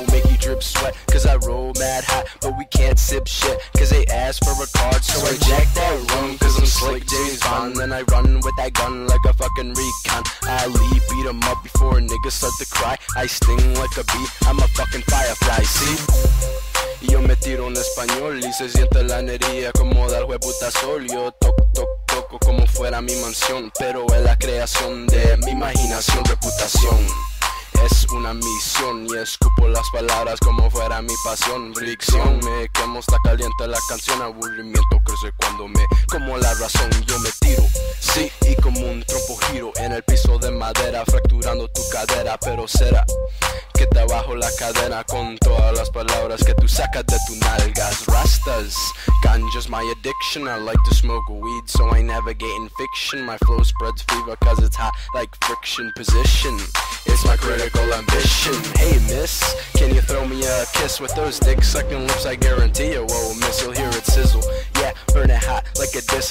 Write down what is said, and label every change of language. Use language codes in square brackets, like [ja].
[en] Make you drip sweat, cause I roll mad hot. But we can't sip shit, cause they ask for a card. So I jack that room, cause I'm slick James Bond. Then I run with that gun like a fucking recon. I leave, beat him up before niggas start to cry. I sting like a I'm a fucking firefly, see? [es] Yo me tiro en español y se siente la energía como dar hueputa sol. Yo toc, toc, toco como fuera mi mansión, pero es la creación de mi imaginación. Reputación es una misión y escupo las palabras como fuera mi pasión. Fricción, me quemo, está caliente la canción. Aburrimiento crece cuando me como la razón. Yo me tiro, sí, y como un trompo giro en el piso de madera, fracturando tu cadera. Pero será que te bajo la cadena con todas las palabras que tú sacas de tu nalgas. Rastas, [en] ganja's my addiction. I like to smoke weed, so I navigate in fiction. My flow spreads fever, cause it's hot like friction. Position, it's my critical ambition. Hey miss, can you throw me a kiss? With those dick sucking lips, I guarantee you won't miss. You'll hear it sizzle, yeah, burn it hot like a diss.